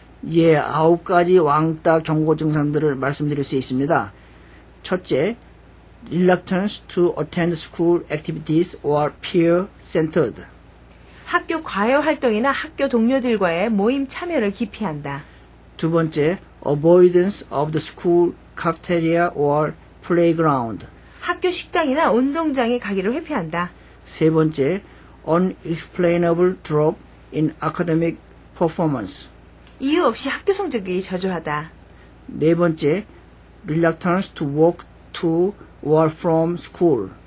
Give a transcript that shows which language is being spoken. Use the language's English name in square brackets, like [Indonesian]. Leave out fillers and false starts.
[Korean] 예, 아홉 가지 왕따 경고 증상들을 말씀드릴 수 있습니다. 첫째, [English] reluctance to attend school activities or peer-centered. [Korean] 학교 과외 활동이나 학교 동료들과의 모임 참여를 기피한다. 두 번째, [English] avoidance of the school cafeteria or playground. [Korean] 학교 식당이나 운동장에 가기를 회피한다. 세 번째, [English] unexplainable drop in academic performance. [Korean] 이유 없이 학교 성적이 저조하다. 네 번째, [English] reluctance to walk to or from school.